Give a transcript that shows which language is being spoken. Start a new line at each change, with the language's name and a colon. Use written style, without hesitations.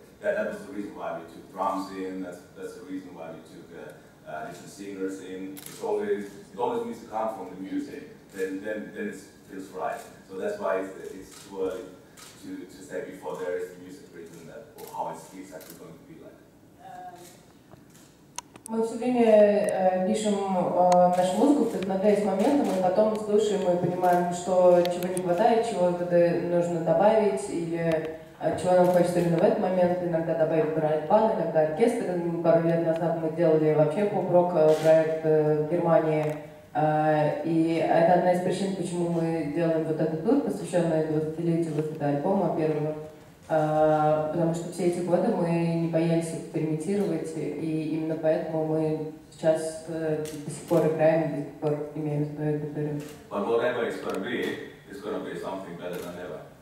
English: That was the reason why we took drums in, that's the reason why we took different singers in. It always needs to come from the music, then it feels right. So that's why it's too early to say before there is music written that, or how it's actually going to be like.
Russian: Мы все время пишем нашу музыку, вдохновляясь моментом, и потом слушаем и понимаем, что чего не хватает, чего нужно добавить, или чего нам хочется именно в этот момент. Иногда добавить брайт-бан, иногда оркестр. Пару лет назад мы делали вообще поп-рок проект в Германии. И это одна из причин, почему мы делаем вот этот тур, посвященный 20-летию выхода альбома первого. Потому что все эти годы мы не боялись экспериментировать, и именно поэтому мы сейчас до сих пор играем, до сих пор имеем свою аудиторию.
English: But whatever it's gonna be something better than ever.